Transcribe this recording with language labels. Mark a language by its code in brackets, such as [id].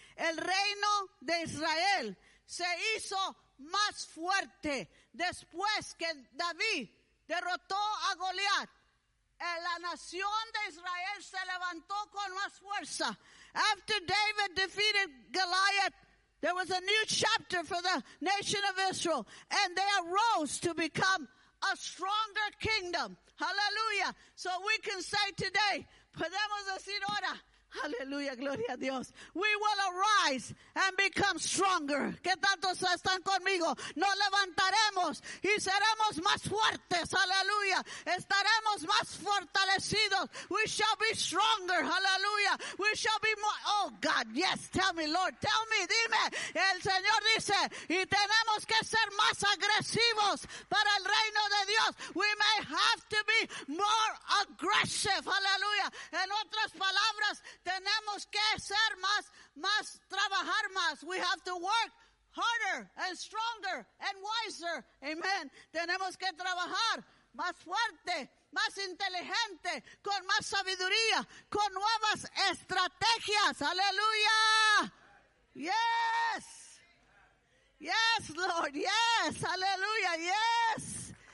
[es] El reino de Israel se hizo más fuerte después que David derrotó a Goliat. La nación de Israel se levantó con más fuerza. [en] After David defeated Goliath, there was a new chapter for the nation of Israel, and they arose to become a stronger kingdom. Hallelujah. So we can say today, [es] podemos decir ahora, hallelujah, gloria a Dios. [en] We will arise and become stronger. [es] ¿Qué tantos están conmigo? Nos levantaremos y seremos más fuertes. Hallelujah. Estaremos más fortalecidos. [en] We shall be stronger. Hallelujah. We shall be more. Oh, God, yes, tell me, Lord, tell me, dime. [es] El Señor dice, y tenemos que ser más agresivos para el reino de Dios. [en] We may have to be more aggressive. Hallelujah. [es] En otras palabras, tenemos que ser más, trabajar más. [en] We have to work harder and stronger and wiser. Amen. [es] Tenemos que trabajar más fuerte, más inteligente, con más sabiduría, con nuevas estrategias. Aleluya. Yes. Yes, Lord. Yes. Aleluya. Yes.